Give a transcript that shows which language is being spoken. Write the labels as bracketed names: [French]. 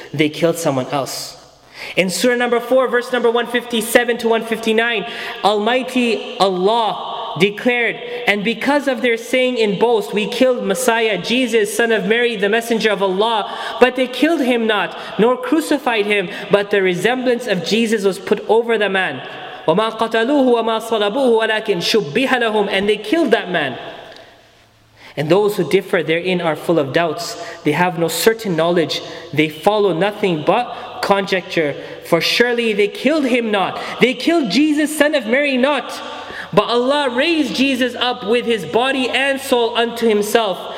[English] They killed someone else. In Surah number 4, verse number 157 to 159, Almighty Allah declared, "And because of their saying in boast, we killed Messiah, Jesus, son of Mary, the messenger of Allah. But they killed him not, nor crucified him, but the resemblance of Jesus was put over the man. [Arabic] وَمَا قَتَلُوهُ وَمَا صَلَبُوهُ وَلَكِنْ شُبِّهَ لَهُمْ [English] And they killed that man. And those who differ therein are full of doubts. They have no certain knowledge. They follow nothing but conjecture. For surely they killed him not. They killed Jesus, son of Mary, not. But Allah raised Jesus up with his body and soul unto himself.